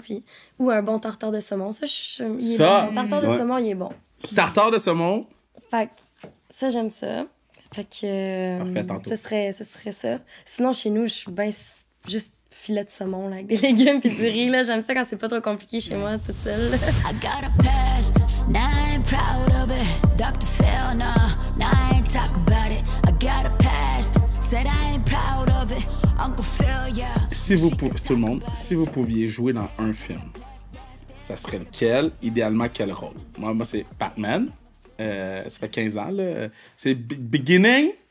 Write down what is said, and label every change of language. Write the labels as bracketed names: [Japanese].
[French] Puis... Ou un bon tartare de saumon. Tartare de saumon, il est bon. Tartare de saumon? Fait que ça, j'aime ça. Fait que... Ce serait ça. Sinon, chez nous, je suis bien juste... filet de saumon là, avec des légumes puis du riz là, j'aime ça quand c'est pas trop compliqué chez moi toute seule. [English] I got a past, now I'm proud of it. Dr. Phil, no, now I ain't talk about it. I got a past, said I ain't proud of it. Uncle Phil, yeah. [French] Si vous pouviez jouer dans un film, ça serait lequel? Idéalement quel rôle? Moi c'est Batman. Ça fait 15 ans là, c'est Beginning.